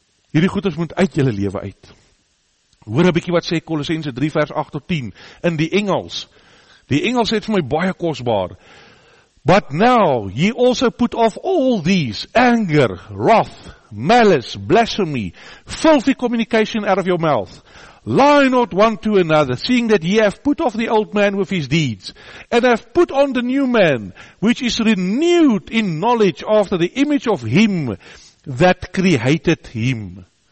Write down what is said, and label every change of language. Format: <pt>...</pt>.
<af>Hierdie goeders moet uit jylle lewe uit. Hoor een bykie wat sê Kolossense 3 vers 8 tot 10, in die Engels. Die Engels het vir my baie kosbaar.</af> <en>But now ye also put off all these, anger, wrath, malice, blasphemy, filthy communication out of your mouth. Lie not one to another, seeing that ye have put off the old man with his deeds, and have put on the new man, which is renewed in knowledge after the image of him that created him.</en>